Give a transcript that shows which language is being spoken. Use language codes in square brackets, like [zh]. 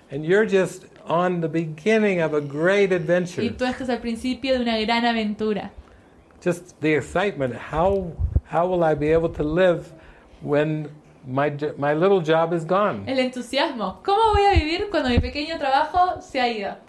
[en] And you're just on the beginning of a great adventure. [es] Y tú estás al principio de una gran aventura. [en] Just the excitement. How will I be able to live when my little job is gone? [es] El entusiasmo. ¿Cómo voy a vivir cuando mi pequeño trabajo se ha ido?